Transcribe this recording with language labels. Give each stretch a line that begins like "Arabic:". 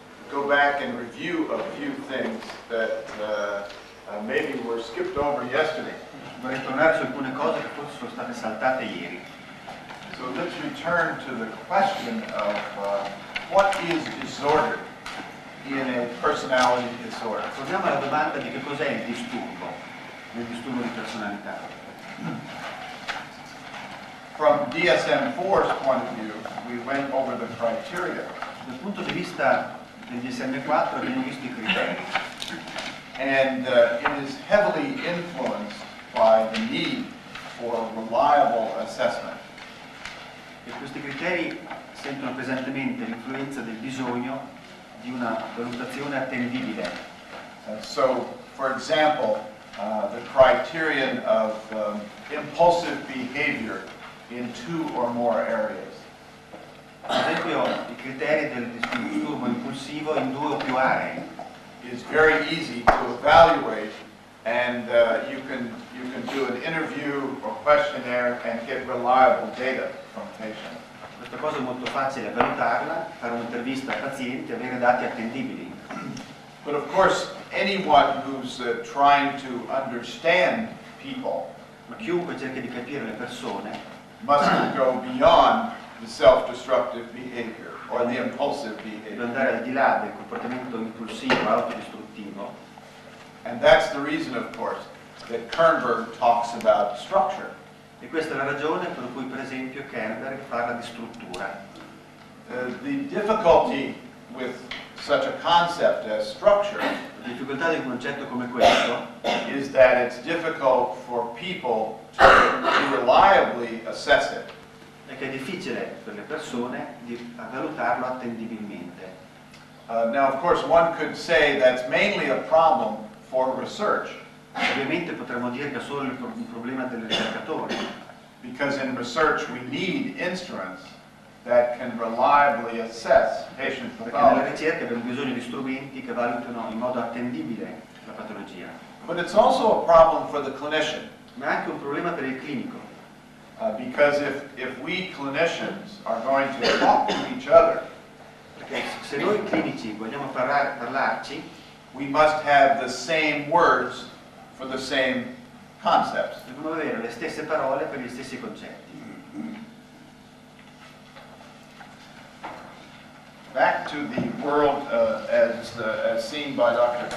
English: go back and review a few things that maybe were skipped over yesterday.
Italian: Vorrei tornare su alcune cose che forse sono state saltate ieri.
English: So let's return to the question of what is disorder in a personality disorder.
Italian: Torniamo alla domanda di che cos'è il disturbo nel disturbo di personalità.
English: From DSM-4's point of view, we went over the criteria.
Italian: Dal punto di vista del DSM-4 abbiamo visto i criteri.
English: And it is heavily influenced by the need for reliable assessment.
Italian: E questi criteri sentono pesantemente l'influenza del bisogno di una valutazione attendibile.
English: And so, for example, the criterion of impulsive behavior in two or more areas.
Italian: Ad esempio, i criteri del disturbo impulsivo in due o più aree.
English: Is very easy to evaluate, and you can do an interview or questionnaire and get reliable data from patients.
Italian: Questa cosa è molto facile valutarla, fare un'intervista al paziente, avere dati attendibili.
English: But of course, anyone who's trying to understand people,
Italian: ma chiunque cerca di capire le persone,
English: must go beyond the self-destructive behavior or the impulsive behavior.
Italian: Deve andare al di là del comportamento impulsivo, autodistruttivo.
English: And that's the reason, of course, that Kernberg talks about structure.
Italian: E questa è la ragione per cui, per esempio, Kernberg parla di struttura.
English: The difficulty with such a concept as structure,
Italian: la difficoltà di un concetto come questo,
English: is that it's difficult for people to reliably assess it.
Italian: È che è difficile per le persone di valutarlo attendibilmente.
English: Now, of course, one could say that's mainly a problem for research.
Italian: Ovviamente potremmo dire che è solo un problema del ricercatore.
English: Because in research we need instruments that can reliably assess patient pathology.
Italian: Perché nella ricerca abbiamo bisogno di strumenti che valutano in modo attendibile la patologia.
English: But it's also a problem for the clinician.
Italian: Ma è anche un problema per il clinico.
English: Because if we clinicians are going to talk to each other,
Italian: perché se noi clinici vogliamo parlarci,
English: we must have the same words for the same concepts.
Italian: Dobbiamo avere le stesse parole per gli stessi concetti.
English: Back to the world as seen by Dr.